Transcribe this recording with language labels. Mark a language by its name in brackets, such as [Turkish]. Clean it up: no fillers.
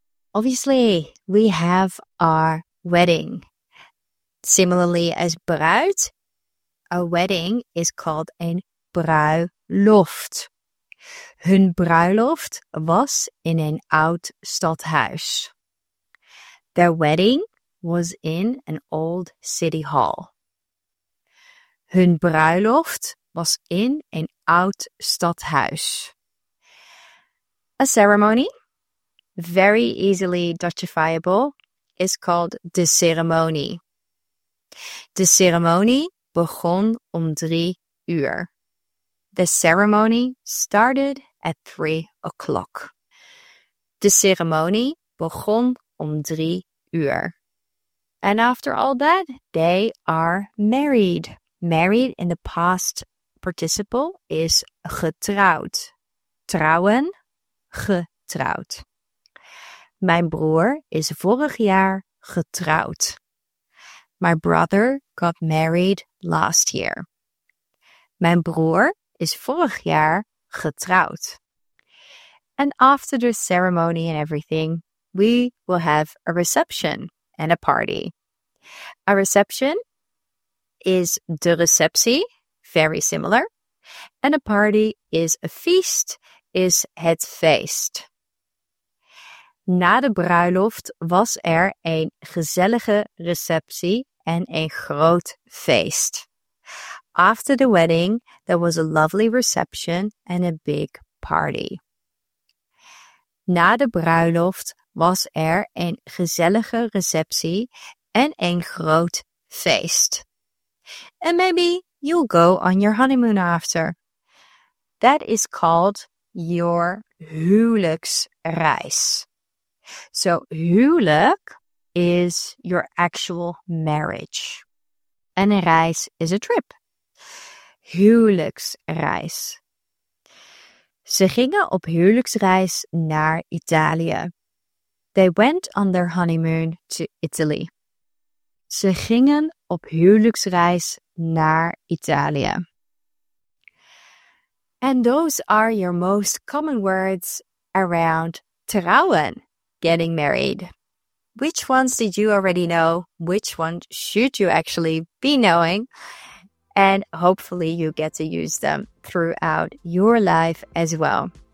[English] Obviously, we have our wedding. Similarly as bruid, a wedding is called een bruiloft. [Dutch] Hun bruiloft was in een oud stadhuis. [English] Their wedding was in an old city hall. [Dutch] Hun bruiloft was in een oud stadhuis. [English] A ceremony, very easily Dutchifiable, is called de ceremonie. [Dutch] De ceremonie begon om 3:00. [English] The ceremony started at 3:00. [Dutch] De ceremonie begon om 3:00. [English] And after all that, they are married. Married in the past participle is getrouwd. [Dutch] Trouwen, getrouwd. Mijn broer is vorig jaar getrouwd. [English] My brother got married last year. [Dutch] Mijn broer is vorig jaar getrouwd. [English] And after the ceremony and everything, we will have a reception and a party. A reception is de receptie, very similar. And a party is a feast, is het feest. [Dutch] Na de bruiloft was er een gezellige receptie en een groot feest. [English] After the wedding, there was a lovely reception and a big party. [Dutch] Na de bruiloft was er een gezellige receptie en een groot feest. [English] And maybe you'll go on your honeymoon after. That is called your huwelijksreis. So huwelijk is your actual marriage. En reis is a trip. Huwelijksreis. [Dutch] Ze gingen op huwelijksreis naar Italië. [English] They went on their honeymoon to Italy. [Dutch] Ze gingen op huwelijksreis naar Italië. [English] And those are your most common words around trouwen, getting married. Which ones did you already know? Which ones should you actually be knowing? And hopefully you get to use them throughout your life as well.